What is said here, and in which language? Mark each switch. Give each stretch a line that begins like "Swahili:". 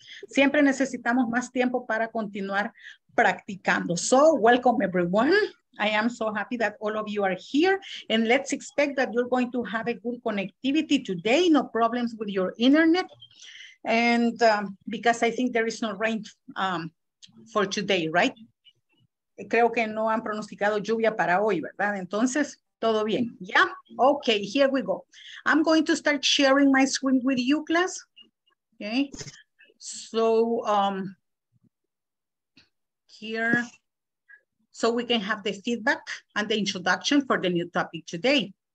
Spanish: Siempre necesitamos más tiempo para continuar practicando.
English: So welcome, everyone. I am so happy that all of you are here, and let's expect that you're going to have a good connectivity today, no problems with your internet, and because I think there is no rain for today, right?
Spanish: Creo que no han pronosticado lluvia para hoy, ¿verdad? Entonces, todo bien.
English: Yeah, okay, here we go. I'm going to start sharing my screen with you, class, okay? So, here, so we can have the feedback and the introduction for the new topic today.